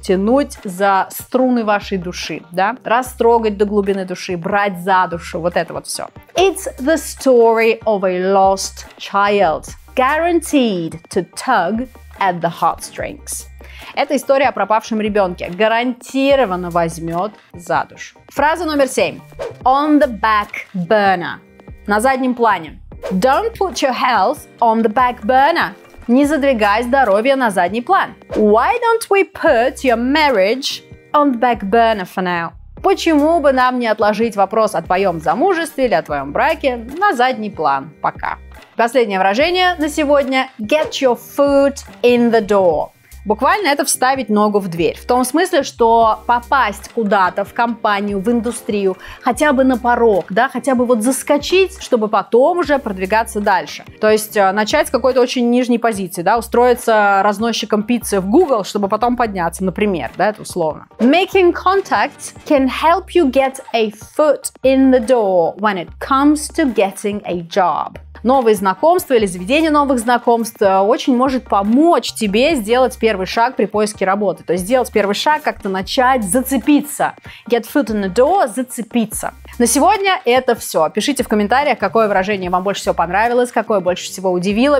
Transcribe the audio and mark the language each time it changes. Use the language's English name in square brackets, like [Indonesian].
[Russian] Тянуть за струны вашей души, да? Растрогать до глубины души, брать за душу, вот это вот все. [English] It's the story of a lost child. Guaranteed to tug at the heartstrings. [Russian] Это история о пропавшем ребенке. Гарантированно возьмет за душу. Фраза номер 7. [English] On the back burner. [Russian] На заднем плане. [English] Don't put your health on the back burner. [Russian] Не задвигай здоровье на задний план. [English] Why don't we put your marriage on the back burner for now? [Russian] Почему бы нам не отложить вопрос о твоем замужестве или о твоем браке на задний план пока? Последнее выражение на сегодня. [English] Get your foot in the door. [Russian] Буквально это вставить ногу в дверь. В том смысле, что попасть куда-то в компанию, в индустрию, хотя бы на порог, да, хотя бы вот заскочить, чтобы потом уже продвигаться дальше. То есть начать с какой-то очень нижней позиции, да, устроиться разносчиком пиццы в Google, чтобы потом подняться, например, да, это условно. [English] Making contact can help you get a foot in the door when it comes to getting a job. [Russian] новые знакомства или заведение новых знакомств очень может помочь тебе сделать первый шаг при поиске работы. То есть сделать первый шаг, как-то начать зацепиться. [English] Get foot in the door, [Russian] зацепиться. На сегодня это все. Пишите в комментариях, какое выражение вам больше всего понравилось, какое больше всего удивило.